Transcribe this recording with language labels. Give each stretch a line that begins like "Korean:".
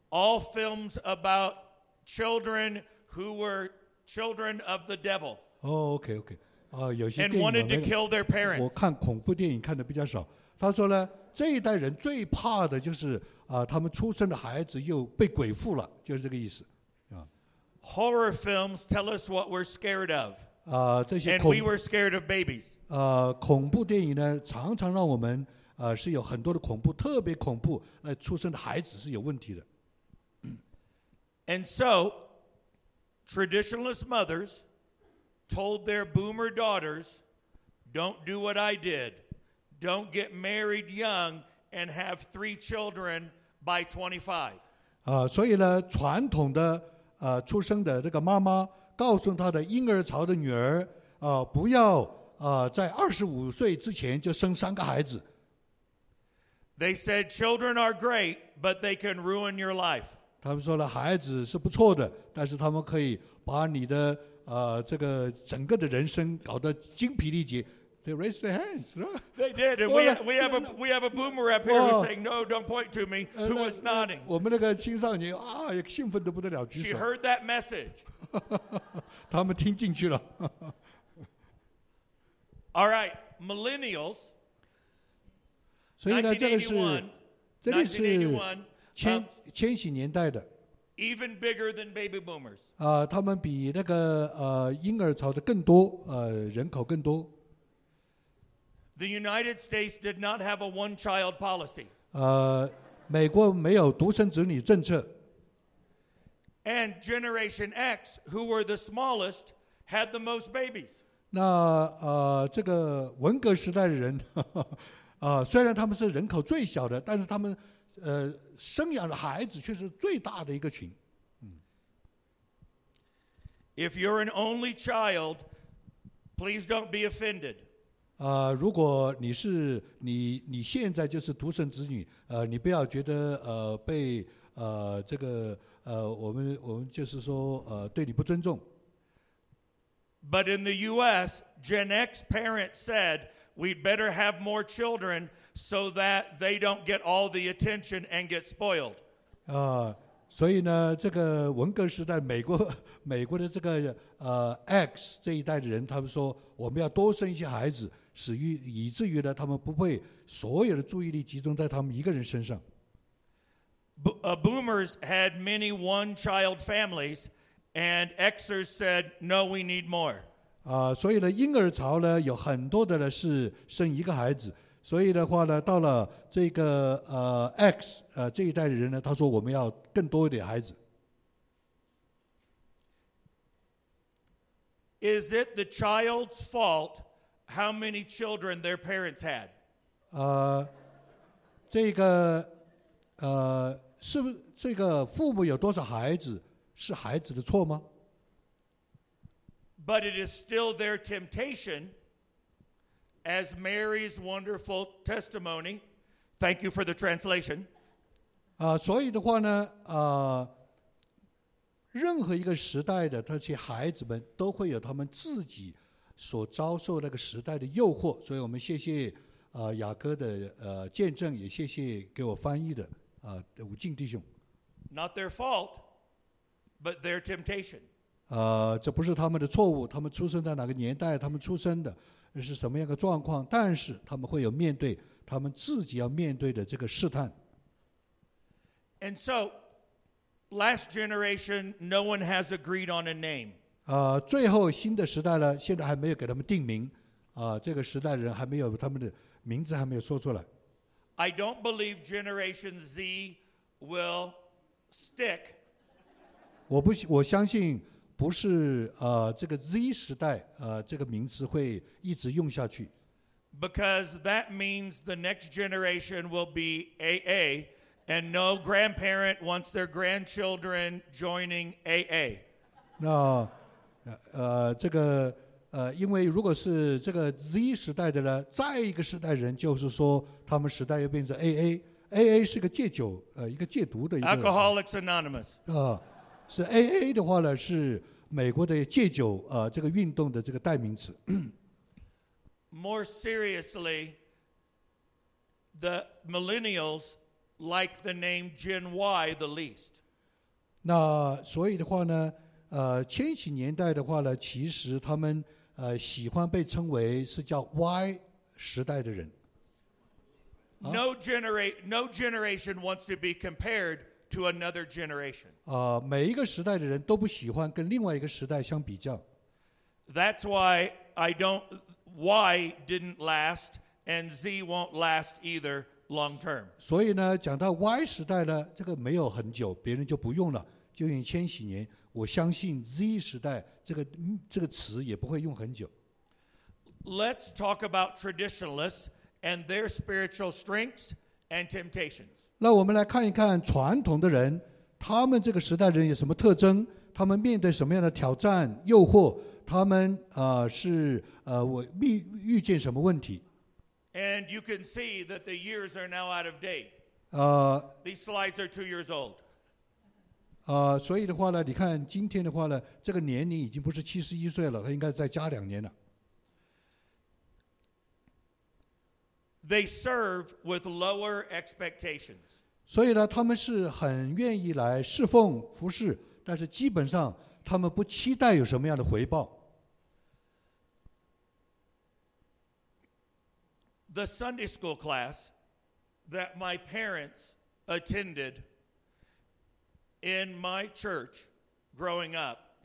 English: All films about children who were children of the devil. Oh, okay, okay.
Chinese: 有些电影
English: and wanted to kill their parents.
Chinese: 我看恐怖电影看的比较少。他说呢，这一代人最怕的就是他们出生的孩子又被鬼附了，就是这个意思。
English: Horror films tell us what we're scared of.
Chinese: 这些
English: and we were scared of babies.
Chinese: 恐怖电影呢，常常让我们是有很多的恐怖，特别恐怖，出生的孩子是有问题的。
English: And so, traditionalist mothers told their boomer daughters, don't do what I did. Don't get married young and have three children by 25.
Chinese: 所以呢，传统的出生的这个妈妈告诉她的婴儿潮的女儿不要在25岁之前就生三个孩子。
English: They said children are great, but they can ruin your life.
Chinese: 他们说了孩子是不错的，但是他们可以把你的这个整个的人生搞得精疲力竭。
English: They raised their hands. They did. And we have a boomer up here who's saying, no, don't point to me, who was nodding.
Chinese: 我们那个青少年啊，也兴奋得不得了，举手。
English: She heard that message.
Chinese: 他们听进去了。
English: All right, millennials.
Chinese: 所以呢，这个是，这里是千禧年代的。
English: Even bigger than baby boomers.
Chinese: 他们比那个婴儿潮的更多，人口更多。
English: The United States did not have a one-child policy.
Chinese: 美国没有独生子女政策。
English: And Generation X, who were the smallest, had the most babies.
Chinese: 那这个文革时代的人，虽然他们是人口最小的，但是他们生养的孩子却是最大的一个群。
English: If you're an only child, please don't be offended.
Chinese: 如果你现在就是独生子女，你不要觉得被这个我们就是说对你不尊重。
English: But in the U.S., Gen X parents said we'd better have more children so that they don't get all the attention and get spoiled.
Chinese: 所以呢，这个文革时代美国的这个X 这一代的人，他们说我们要多生一些孩子。以至于呢，他们不会所有的注意力集中在他们一个人身上。
English: Boomers had many one-child families, and Xers said, "No, we need more."
Chinese: 所以呢，婴儿潮呢有很多的呢是生一个孩子，所以的话呢，到了这个X 这一代的人呢，他说我们要更多一点孩子。
English: Is it the child's fault? How many children their parents had?
Chinese: 这个是不是这个父母有多少孩子是孩子的错吗？
English: But it is still their temptation, as Mary's wonderful testimony. Thank you for the translation.
Chinese: 所以的话呢，任何一个时代的这些孩子们都会有他们自己所遭受那个时代的诱惑，所以我们谢谢雅各的见证，也谢谢给我翻译的武进弟兄。
English: Not their fault, but their temptation.
Chinese: 这不是他们的错误，他们出生在哪个年代，他们出生的是什么样的状况，但是他们会有面对他们自己要面对的这个试探。
English: And so, last generation, no one has agreed on a name.
Chinese: 最后新的时代呢，现在还没有给他们定名，这个时代人还没有他们的名字还没有说出来。
English: I don't believe Generation Z will stick.
Chinese: 我相信不是这个 Z 时代这个名词会一直用下去。
English: Because that means the next generation will be AA, and no grandparent wants their grandchildren joining AA.
Chinese: 那这个因为如果是这个 Z 时代的呢，再一个时代人就是说他们时代又变成 AA 是个戒酒一个戒毒的一个
English: Alcoholics Anonymous
Chinese: 是 AA 的话呢是美国的戒酒这个运动的这个代名词。
English: More seriously, the millennials like the name Gen Y the least.
Chinese: 那所以的话呢千禧年代的话呢，其实他们喜欢被称为是叫 Y 时代的人。
English: No generation wants to be compared to another generation.
Chinese: 每一个时代的人都不喜欢跟另外一个时代相比较。
English: That's why I don't. Y didn't last, and Z won't last either long term.
Chinese: 所以呢，讲到 Y 时代呢，这个没有很久，别人就不用了，就用千禧年。我相信 Z 时代这个词也不会用很久。
English: Let's talk about traditionalists and their spiritual strengths and temptations.
Chinese: 那我们来看一看传统的人，他们这个时代人有什么特征？他们面对什么样的挑战、诱惑？他们是我遇见什么问题
English: ？And you can see that the years are now out of date. These slides are 2 years old.
Chinese: 所以的话呢，你看今天的话呢，这个年龄已经不是71岁了，他应该再加两年了。
English: They serve with lower expectations.
Chinese: 所以呢，他们是很愿意来侍奉服侍，但是基本上他们不期待有什么样的回报。
English: The Sunday school class that my parents attended in my church growing up.